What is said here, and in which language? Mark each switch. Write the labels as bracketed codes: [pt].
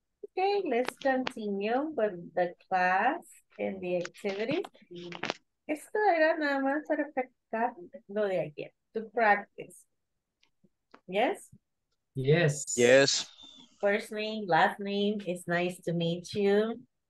[en] Okay, let's continue with the class and the activities. [es] Esto era nada más para practicar lo de ayer, [en] to practice. Yes? Yes. Yes. First name, last name, it's nice to meet you.